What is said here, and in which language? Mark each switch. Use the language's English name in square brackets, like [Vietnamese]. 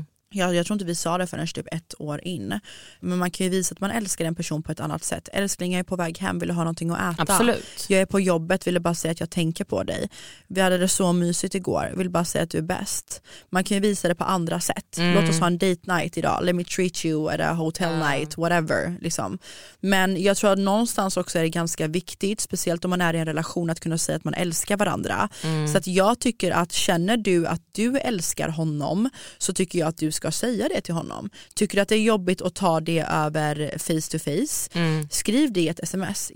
[Swedish] Jag tror inte vi sa det förrän typ ett år in. Men man kan ju visa att man älskar en person på ett annat sätt. Älskling, jag är på väg hem, vill du ha någonting att äta? Absolut. Jag är på jobbet, vill du bara säga att jag tänker på dig? Vi hade det så mysigt igår, vill bara säga att du är bäst. Man kan ju visa det på andra sätt. Låt oss ha en date night idag. [English] Let me treat you at a hotel night, whatever. [Swedish] Liksom. Men jag tror att någonstans också är det ganska viktigt, speciellt om man är i en relation, att kunna säga att man älskar varandra. Så att jag tycker att känner du att du älskar honom, så tycker jag att du ska säga det till honom. Tycker att det är jobbigt att ta det över [English] face to face, [Swedish] skriv det i ett sms.